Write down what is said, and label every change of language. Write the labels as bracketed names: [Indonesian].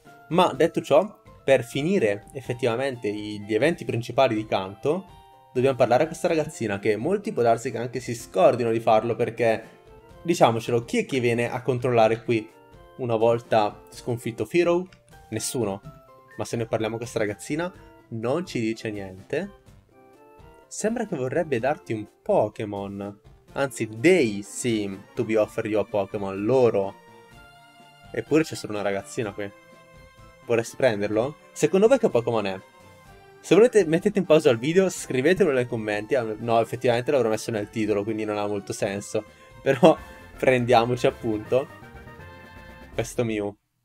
[Italian] Ma detto ciò, per finire effettivamente gli eventi principali di Kanto, dobbiamo parlare a questa ragazzina che molti può darsi che anche si scordino di farlo perché, diciamocelo, chi è che viene a controllare qui una volta sconfitto Firou? Nessuno. Ma se noi parliamo a questa ragazzina, non ci dice niente. Sembra che vorrebbe darti un Pokémon. [English] Anzi, they seem to be offering you a Pokémon, loro. [Italian] Eppure c'è solo una ragazzina qui. Vorresti prenderlo? Secondo voi che Pokémon è? Se volete, mettete in pausa il video, scrivetelo nei commenti. No, effettivamente l'avrò messo nel titolo, quindi non ha molto senso. Però prendiamoci appunto questo Mew.